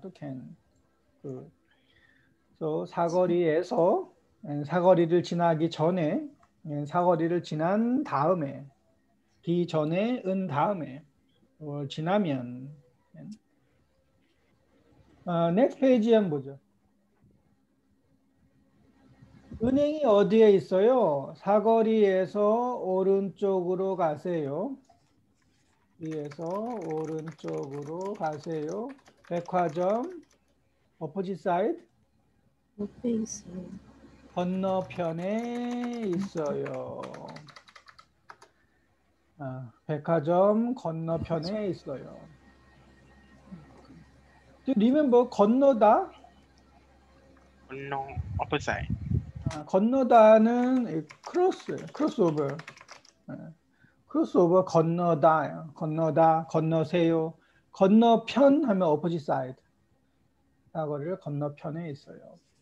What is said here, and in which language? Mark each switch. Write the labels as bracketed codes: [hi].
[ko] 또 [en] can [ko] 그 또 사거리에서 사거리를 지나기 전에 사거리를 지난 다음에 기 전에 은 다음에 지나면 [en] next page [ko] 한번 보죠. 은행이 어디에 있어요? 사거리에서 오른쪽으로 가세요. 이에서 오른쪽으로 가세요. 백화점 [en] opposite side [ko] 옆에 있어요. 건너편에 있어요. 아, 백화점 건너편에 있어요. [en] Do you remember 건너다? [ko] 건너 [en] opposite. [ko] 건너다는 크로스오버. 크로스오버 건너다요. 건너다 건너세요. 건너편 하면 [en] opposite side. [ko] 사거리를 건너편에 있어요.